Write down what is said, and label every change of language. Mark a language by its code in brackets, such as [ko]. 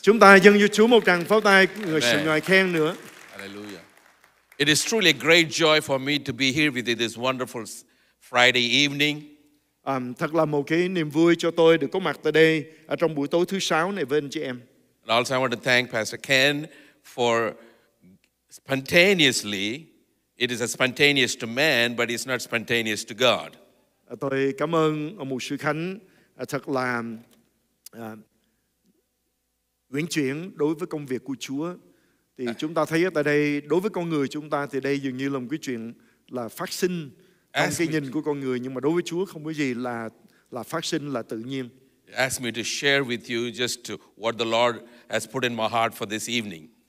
[vi] Chúng ta dâng cho Chúa một tràng pháo tay người sự ngợi khen nữa. [en] Hallelujah. It is truly a great joy for me to be here with you this wonderful Friday evening. [vi] Thật là một cái niềm vui cho tôi được có mặt tại đây ở trong buổi tối thứ sáu này với anh chị em. [en] And also I want to thank Pastor Ken for spontaneously. It is a spontaneous to man, but it's not spontaneous to God. [vi] Tôi cảm ơn ông mục sư Khánh thật là uyển chuyển đối với công việc của Chúa. Thì chúng ta thấy tại đây đối với con người chúng ta thì đây dường như là một cái chuyện là phát sinh trong cái nhìn của con người, nhưng mà đối với Chúa không có gì là phát sinh, là tự nhiên. [en] Ask me to share with you just what the Lord has put in my heart for this evening.